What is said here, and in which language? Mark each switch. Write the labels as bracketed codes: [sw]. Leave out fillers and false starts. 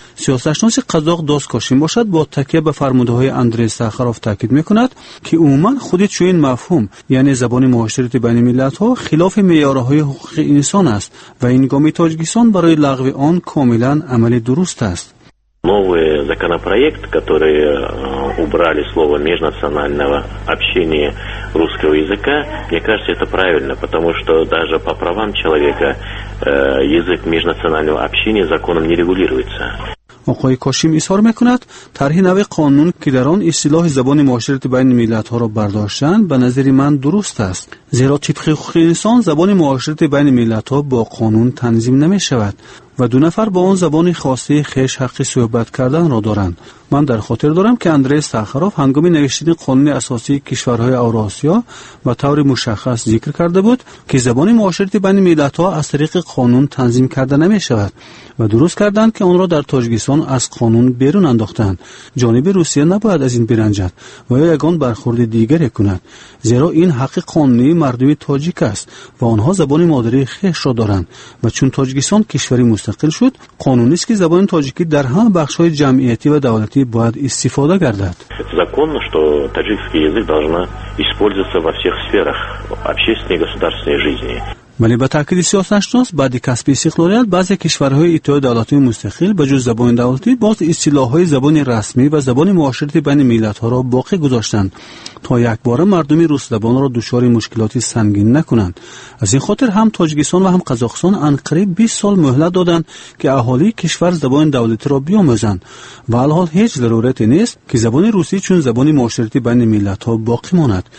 [fa] سیاستشناس قزاق دوست کاشیم باشد با تکیه به فرموده های اندری ساخاروف تاکید میکند که عموما خود چنین مفهوم، یعنی زبان معاشرت بین ملت ها، خلاف معیارهای حقوق انسان است و این گام تاجیکستان برای لغو آن کاملا عمل درست است. [ru] Новый законопроект, который убрали слово межнационального общения русского языка, мне кажется, это правильно, потому что даже по правам человека язык межнационального общения законом не регулируется. [fa] آقای کاشیم اظهار میکند طرح نو قانون که در آن اصطلاح زبان معاشرت بین ملت ها را برداشتن به نظر من درست است، زیرا طبق حقوق انسان زبان معاشرت بین ملت ها با قانون تنظیم نمی شود و دو نفر با آن زبان خاصه خیش حق صحبت کردن را دارند. من در خاطر دارم که اندری ساخاروف هنگام نوشتن قانون اساسی کشورهای اوراسیا به طور مشخص ذکر کرده بود که زبان معاشرت بین ملت ها از طریق قانون تنظیم کرده نمی شود و درست کردند که آن را در تاجیکستان از قانون بیرون انداختند. جانب روسیه نباید از این برنجد و یا یگان برخورد دیگری کند، زیرا این حق قانونی مردم تاجیک است و آنها زبان مادری خیش را دارند و چون تاجیکستان کشوری مستقل شد، قانونی است که زبان تاجیکی در همه بخش های جمعیتی و دولتی باید استفاده گردد. [ru] Законно, что таджикский язык должна использоваться во всех сферах общественной и государственной жизни. [fa] ولی به تاکید سیاستشناس بعد کسب استقلالیت بعضی کشورهای اتحادیه دولت‌های مستقل به جز زبان دولتی باز اصطلاح‌های زبان رسمی و زبان معاشرت بین ملت‌ها را باقی گذاشتند تا یک بار مردم روس زبان را دچار مشکلات سنگین نکنند. از این خاطر هم تاجیکستان و هم قزاقستان انقریب 20 سال مهلت دادند که اهالی کشور زبان دولتی را بیاموزند و الحال هیچ ضرورتی نیست که زبان روسی چون زبان معاشرت بین ملت‌ها باقی ماند.